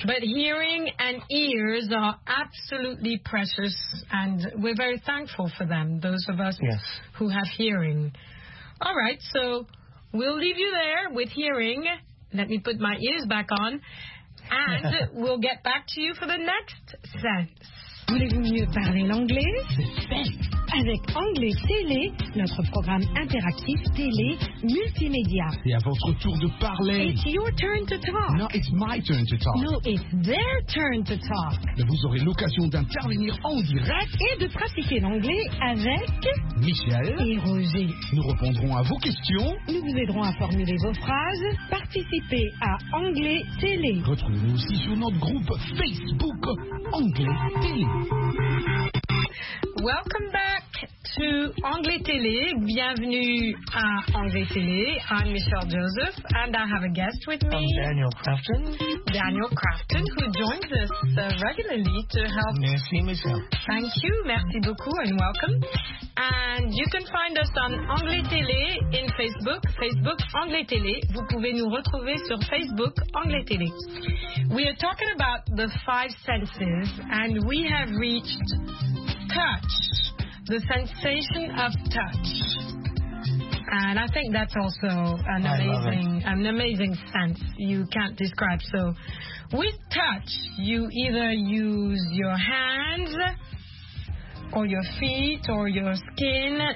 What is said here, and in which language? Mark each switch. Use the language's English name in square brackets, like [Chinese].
[English] But hearing and ears are absolutely precious, and we're very thankful for them, those of us yes. who have hearing. All right, so we'll leave you there with hearing. Let me put my ears back on, and we'll get back to you for the next sense. [French] Voulez-vous mieux parler l'anglais? Avec Anglais Télé, notre programme interactif télé multimédia. C'est à votre tour de parler. [English] It's your turn to talk. No, it's my turn to talk. No, it's their turn to talk. [French] Vous aurez l'occasion d'intervenir en direct et de pratiquer l'anglais avec Michel et Rosé. Nous répondrons à vos questions. Nous vous aiderons à formuler vos phrases. Participez à Anglais Télé. Retrouvez-nous aussi sur notre groupe Facebook Anglais Télé. [English] Welcome back to Anglais Télé. [French] Bienvenue à Anglais Télé. [English] I'm Michelle Joseph, and I have a guest with me. I'm Daniel Crafton. Daniel Crafton, who joins us regularly to help. [French] Merci, Michelle. [English] Thank you. [French] Merci beaucoup, [English] and welcome. And you can find us on Anglais Télé in Facebook, Facebook Anglais Télé. [French] Vous pouvez nous retrouver sur Facebook Anglais Télé. [English] We are talking about the five senses, and we have reached touch, the sensation of touch. And I think that's also an amazing sense you can't describe. So with touch, you either use your hands or your feet or your skin.